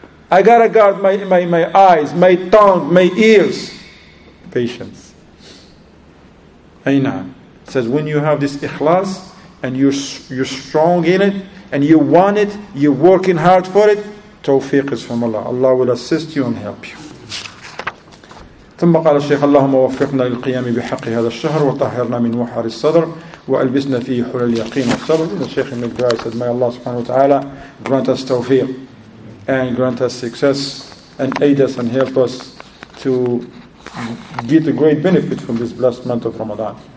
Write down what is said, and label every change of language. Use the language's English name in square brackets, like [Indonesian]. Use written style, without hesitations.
[English] I gotta guard my eyes, my tongue, my ears. Patience. Aina. Says when you have this ikhlas and you're strong in it and you want it, you're working hard for it, tawfiq is from Allah. Allah will assist you and help you. [Arabic] ثم قال الشيخ اللهم وفقنا للقيام بحق هذا الشهر وطهرنا من وحر الصدر وألبسنا فيه حلل اليقين والصبر. [English] The Sheikh Al-Mikdai said, may Allah subhanahu wa ta'ala grant us tawfiq and grant us success and aid us and help us to get a great benefit from this blessed month of Ramadan.